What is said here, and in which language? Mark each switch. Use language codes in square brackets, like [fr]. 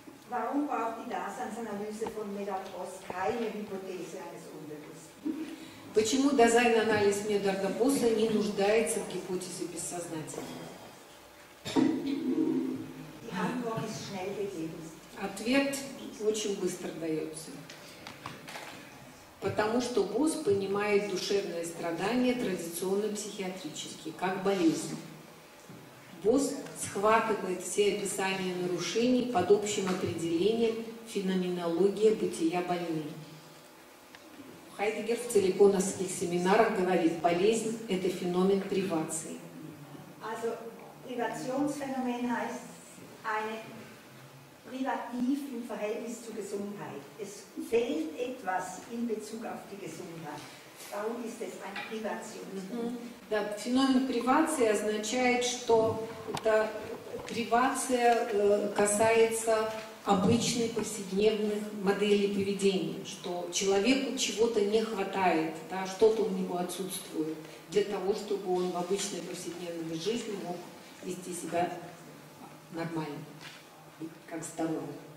[de] Warum braucht die Daseinsanalyse von Medard Boss keine Hypothese eines Unbewussten? [ru] Почему Дазайн-анализ Медарда Босса не нуждается в гипотезе бессознательного? [de] Die Antwort ist schnell gegeben. [ru] Ответ очень быстро дается. Потому что Босс понимает душевное страдание традиционно психиатрически, как болезнь. Босс схватывает все описания нарушений под общим определением феноменология бытия больны. Хайдеггер в целиконовских семинарах говорит, болезнь – это феномен привации. [de] Also, Privationsphänomen heißt eine Privativ im Verhältnis zur Gesundheit. Es fehlt etwas in Bezug auf die Gesundheit. Darum ist es ein Privationsphänomen. [ru] Да, феномен привации означает, что это привация касается обычной повседневных моделей поведения, что человеку чего-то не хватает, да, что-то у него отсутствует для того, чтобы он в обычной повседневной жизни мог вести себя нормально, как здоровый.